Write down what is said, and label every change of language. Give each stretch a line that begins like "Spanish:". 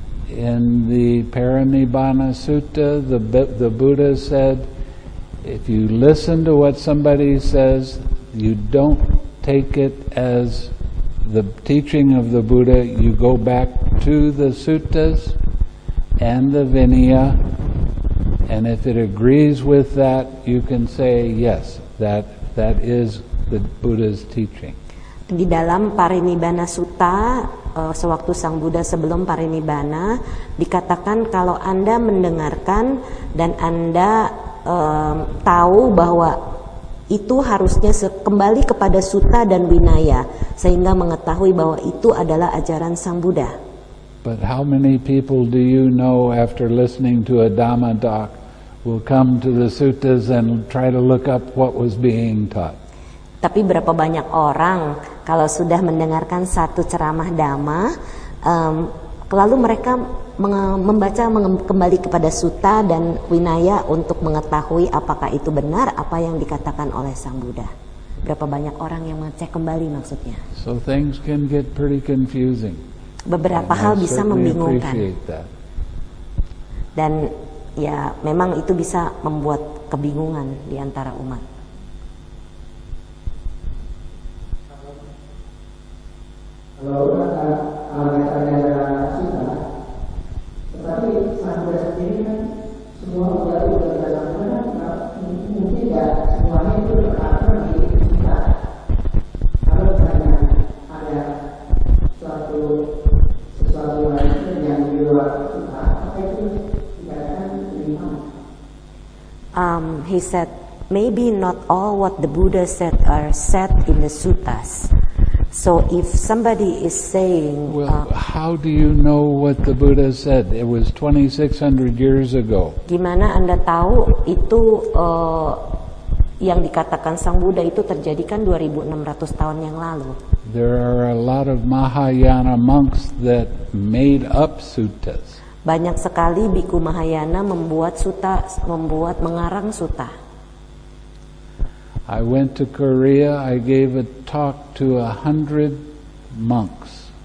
English: In the Parinibbana Sutta, the Buddha said, if you listen to what somebody says, you don't take it as the teaching of the Buddha, you go back to the suttas and the Vinaya, and if it agrees with that, you can say, yes, that is the Buddha's teaching.
Indonesian: Di dalam Parinibbana Sutta, sewaktu Sang Buddha sebelum Parinibbana, dikatakan kalau Anda mendengarkan dan Anda tahu bahwa itu harusnya kembali kepada Sutta dan Vinaya, sehingga mengetahui bahwa itu adalah ajaran Sang Buddha.
English: But how many people do you know after listening to a Dhamma talk will come to the suttas and try to look up what was being taught?
Indonesian: Tapi berapa banyak orang kalau sudah mendengarkan satu ceramah Dhamma, lalu mereka membaca kembali kepada Sutta dan Vinaya untuk mengetahui apakah itu benar apa yang dikatakan oleh Sang Buddha. Berapa banyak orang yang mengecek kembali maksudnya.
English: So things can get pretty confusing.
Indonesian: Beberapa hal bisa membingungkan. Dan ya memang itu bisa membuat kebingungan di antara umat. Kalau orang-orang yang ada Sutta, tetapi Sang Buddha sendiri kan semua sudah berada di dalam mana, mungkin tidak semuanya itu terkandung di Sutta. Kalau misalnya ada sesuatu lain yang di luar Sutta, apa itu dikatakan iman?
English: He said, maybe not all what the Buddha said are said in the suttas. So if somebody is saying... Well, how do you know what the Buddha said? It was 2600 years ago.
Indonesian: Gimana Anda tahu itu yang dikatakan Sang Buddha itu terjadi kan 2600 tahun yang lalu?
English: There are a lot of Mahayana monks that made up suttas.
Indonesian: Banyak sekali biku Mahayana membuat sutta, mengarang sutta.
English: I went to Korea, I gave a talk to 100 monks.